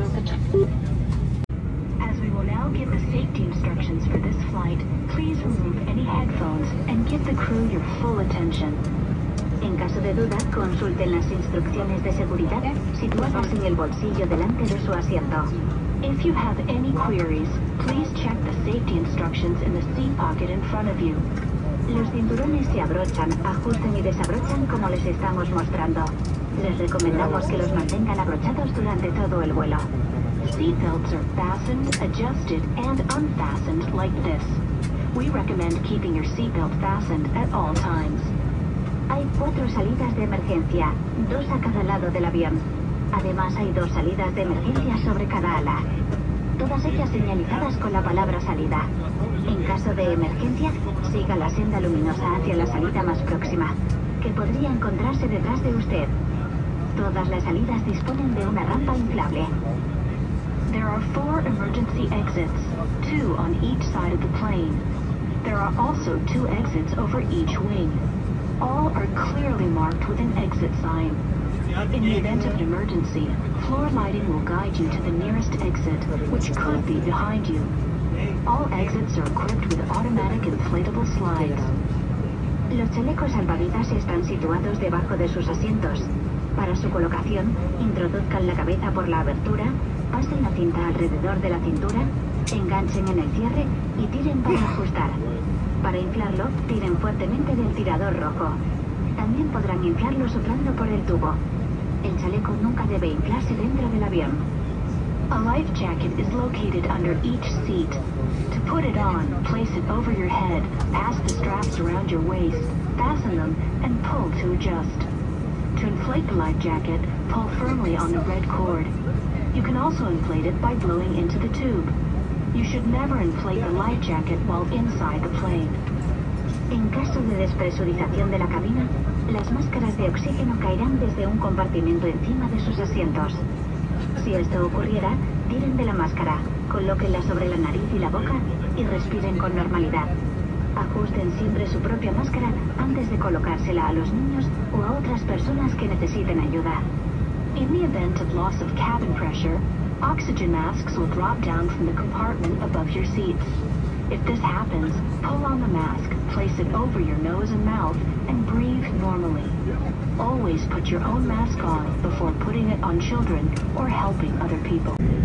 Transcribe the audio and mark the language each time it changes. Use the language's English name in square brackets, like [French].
[English] As we will now give the safety instructions for this flight, please remove any headphones and give the crew your full attention. [Spanish] En caso de duda, consulten las instrucciones de seguridad situadas en el bolsillo delante de su asiento. [English] If you have any queries, please check the safety instructions in the seat pocket in front of you. [Spanish] Los cinturones se abrochan, ajusten y desabrochan como les estamos mostrando. Les recomendamos que los mantengan abrochados durante todo el vuelo. [English] Seat belts are fastened, adjusted, and unfastened like this. We recommend keeping your seat belt fastened at all times. [Spanish] Hay cuatro salidas de emergencia, dos a cada lado del avión. Además, hay dos salidas de emergencia sobre cada ala, todas ellas señalizadas con la palabra salida. En caso de emergencia, siga la senda luminosa hacia la salida más próxima, que podría encontrarse detrás de usted. Todas las salidas disponen de una rampa inflable. [English] There are four emergency exits, two on each side of the plane. There are also two exits over each wing. All are clearly marked with an exit sign. In the event of an emergency, floor lighting will guide you to the nearest exit, which could be behind you. All exits are equipped with automatic inflatable slides. [Spanish] Los chalecos salvavidas están situados debajo de sus asientos. Para su colocación, introduzcan la cabeza por la abertura, pasen la cinta alrededor de la cintura, enganchen en el cierre y tiren para ajustar. Para inflarlo, tiren fuertemente del tirador rojo. También podrán inflarlo soplando por el tubo. El chaleco nunca debe inflarse dentro del avión. [English] A life jacket is located under each seat. To put it on, place it over your head, pass the straps around your waist, fasten them, and pull to adjust. To inflate the life jacket, pull firmly on the red cord. You can also inflate it by blowing into the tube. You should never inflate the life jacket while inside the plane. [Spanish] En caso de despresurización de la cabina, las máscaras de oxígeno caerán desde un compartimento encima de sus asientos. Si esto ocurriera, tiren de la máscara, colóquenla sobre la nariz y la boca y respiren con normalidad. Ajusten siempre su propia máscara antes de colocársela a los niños o a otras personas que necesiten ayuda. [English] In the event of loss of cabin pressure, oxygen masks will drop down from the compartment above your seats. If this happens, pull on the mask, place it over your nose and mouth, and breathe normally. Always put your own mask on before putting it on children or helping other people.